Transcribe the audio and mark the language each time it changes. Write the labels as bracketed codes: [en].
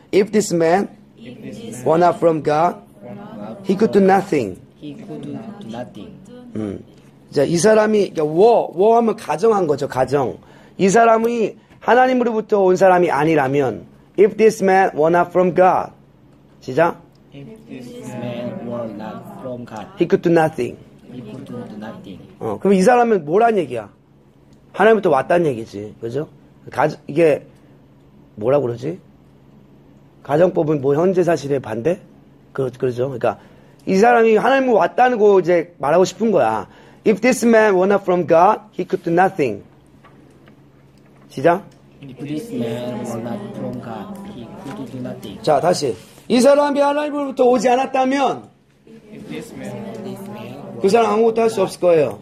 [en] If this man were not from God, he could do nothing. He could do nothing. [ko] 자, 이 사람이, 워 하면 가정한 거죠, 가정. 이 사람이 하나님으로부터 온 사람이 아니라면, [en] If this man were not from God, [ko] 시작. [en] If this man were not from God, he could do nothing. He could do nothing. [ko] 그럼 이 사람은 뭐란 얘기야? 하나님부터 왔다는 얘기지, 그죠? 이게 뭐라 그러지? 가정법은 뭐 현재 사실에 반대? 그렇죠. 그러니까 이 사람이 하나님 왔다는 거 이제 말하고 싶은 거야. [en] If this man were not from God, he could do nothing. [ko] 시작. [en] If this man were not from God, he could do nothing. [ko] 자, 다시. 이 사람이 하나님으로부터 오지 않았다면 그 사람 아무것도 할 수 없을 거예요.